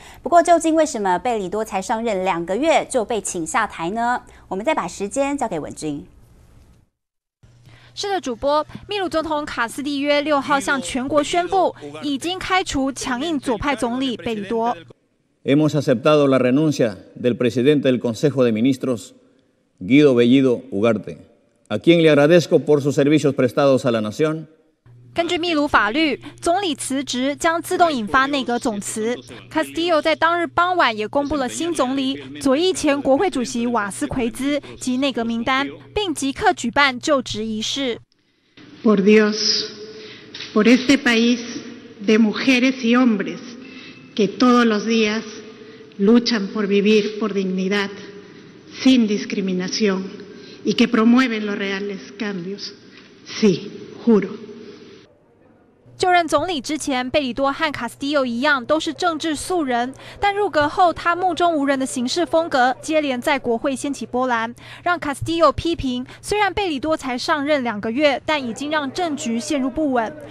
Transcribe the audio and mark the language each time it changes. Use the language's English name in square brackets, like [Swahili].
[Chinese] 不过，究竟为什么贝里多才上任2个月就被请下台呢？我们再把时间交给文君。是的，主播，秘鲁总统卡斯蒂约6号向全国宣布，已经开除强硬左派总理贝里多。 [Spanish] Hemos aceptado la renuncia del presidente del Consejo de Ministros, Guido Bellido Ugarte, a quien le agradezco por sus servicios prestados a la nación. [Chinese] 根据秘鲁法律，总理辞职将自动引发内阁总辞。 Castillo 在当日傍晚也公布了新总理、左翼前国会主席瓦斯奎兹及内阁名单，并即刻举办就职仪式。 [Spanish] Por Dios, por este país de mujeres y hombres que todos los días luchan por vivir por dignidad, sin discriminación y que promueven los reales cambios. Sí, juro. [Chinese] 就任总理之前，贝里多和卡斯蒂奥一样都是政治素人，但入阁后他目中无人的行事风格接连在国会掀起波澜，让卡斯蒂奥批评，虽然贝里多才上任两个月，但已经让政局陷入不稳。